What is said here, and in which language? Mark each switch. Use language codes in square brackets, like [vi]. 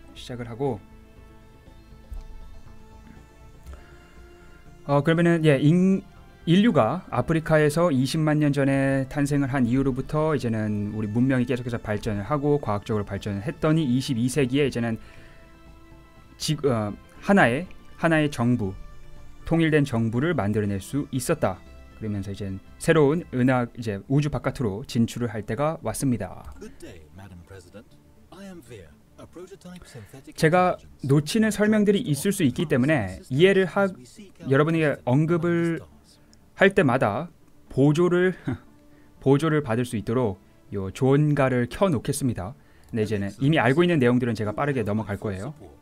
[ko] 시작을 하고, 그러면은, 예, 인류가 아프리카에서 20만 년 전에 탄생을 한 이후로부터 이제는 우리 문명이 계속해서 발전을 하고 과학적으로 발전을 했더니 22세기에 이제는 하나의 정부, 통일된 정부를 만들어낼 수 있었다. 그러면서 이제는 새로운 이제 우주 바깥으로 진출을 할 때가 왔습니다. [en] Good day, Madam President. I am Veer, a prototype synthetic [ko] 제가 [en] intelligence. [ko] 놓치는 설명들이 있을 수 있기 때문에 이해를 하 여러분에게 언급을 할 때마다 보조를 받을 수 있도록 요 조언가를 켜 놓겠습니다. 네, 이제는 이미 알고 있는 내용들은 제가 빠르게 넘어갈 거예요.